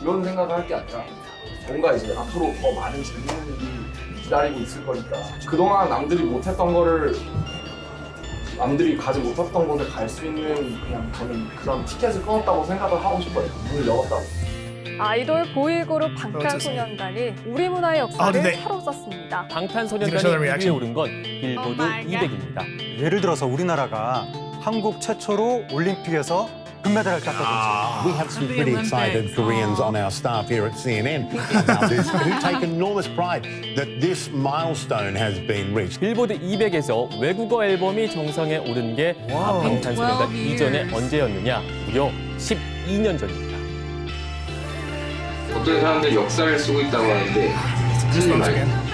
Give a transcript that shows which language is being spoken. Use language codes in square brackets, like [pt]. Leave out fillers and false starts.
[ko] 이런 생각을 할 게 아니라 뭔가 이제 앞으로 더 많은 재밌는 일이 기다리고 있을 거니까 그동안 남들이 못했던 거를 남들이 가지 못했던 곳에 갈 수 있는 그냥 저는 그런 티켓을 끊었다고 생각을 하고 싶어요. 문을 열었다고. 아이돌 보이그룹 방탄소년단이 우리 문화의 역사를 사로잡습니다. 방탄소년단이 1위에 오른 건 빌보드 200입니다. 예를 들어서 우리나라가 한국 최초로 올림픽에서 금메달을 땄다든지 [en] We have some pretty excited Koreans on our staff here at CNN who take enormous pride that this milestone has been reached. [ko] 빌보드 200에서 외국어 앨범이 정상에 오른 게 방탄소년단 이전에 언제였느냐 무려 12년 전입니다. 어떤 사람들 역사를 쓰고 있다고 하는데 무슨 말이야?